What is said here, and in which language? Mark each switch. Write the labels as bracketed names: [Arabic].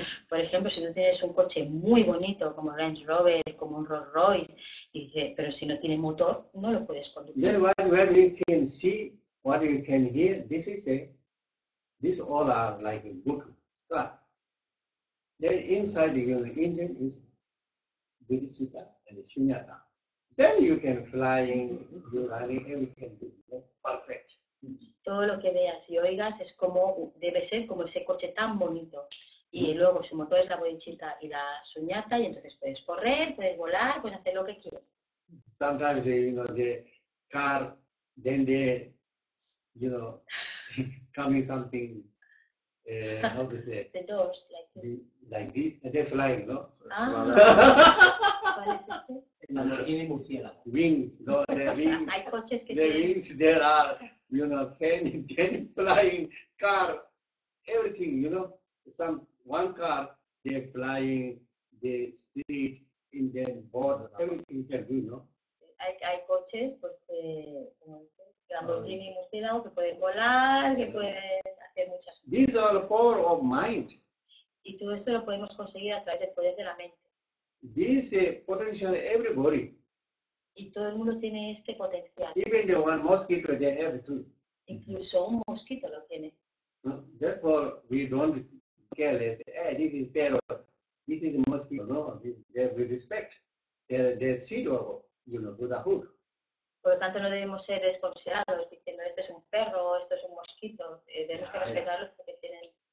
[Spanish] Por ejemplo, si tú tienes un coche muy bonito como Range Rover, como un Rolls Royce, y dice, pero si no tiene motor, no lo puedes conducir. [English] Then what you can see, what you can hear, this is a, this all are like a book. But then inside your engine is bodhicitta and shunyata. Then you can flying, you're running, everything is perfect. [Spanish] Todo lo que veas y oigas es como debe ser, como ese coche tan bonito. Y luego su motor es la bodhicitta y la sunyata, y entonces puedes correr, puedes volar, puedes hacer lo que quieras. [English] Sometimes, you know, the car, then the, you know, coming something, how to say? The doors, like this. Like this, and they're flying, no? [Spanish] ¿Cuál es este? El Lamborghini Murciélago. [English] Wings, no, the wings. [Spanish] Hay coches que tienen. [English] The wings, there are. You know, ten flying car, everything, you know, some one car, they're flying the street in the border, everything you can do, no? [Spanish] Hay coches, pues, que, como dice, Lamborghini, Murciélago, que pueden volar, que pueden hacer muchas cosas. [English] These are the power of mind. [Spanish] Y todo esto lo podemos conseguir a través del poder de la mente. [English] This potential everybody. [Spanish] Y todo el mundo tiene este potencial. [English] Even the one mosquito they have too. [Spanish] Incluso un mosquito lo tiene. [English] Therefore, we don't care. Hey, this is pero, this is a mosquito. No, we respect the seed of, you know, Buddhahood. [Spanish] Por lo tanto, no debemos ser desconsiderados diciendo este es un perro, esto es un mosquito. Debemos que respetarlos porque tienen.